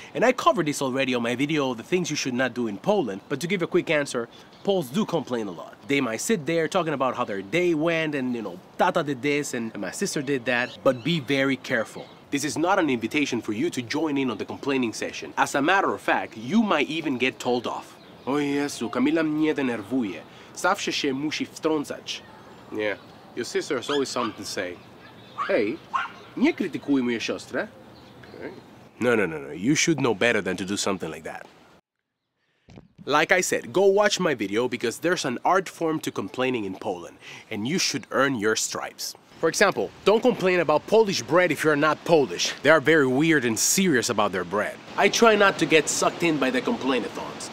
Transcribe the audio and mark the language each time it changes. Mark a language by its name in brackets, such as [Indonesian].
[English] And I covered this already on my video, the things you should not do in Poland. But to give a quick answer, Poles do complain a lot. They might sit there talking about how their day went and, you know, Tata did this and my sister did that. But be very careful. This is not an invitation for you to join in on the complaining session. As a matter of fact, you might even get told off. [Polish] O Jezu, Kamila mnie denerwuje. Zawsze się musi wtrącać. [English] Yeah, your sister has always something to say. [Polish] Hey, nie krytykuj moją siostrę. [English] Okay. No. You should know better than to do something like that. Like I said, go watch my video because there's an art form to complaining in Poland and you should earn your stripes. For example, don't complain about Polish bread if you're not Polish. They are very weird and serious about their bread. I try not to get sucked in by the complainathons.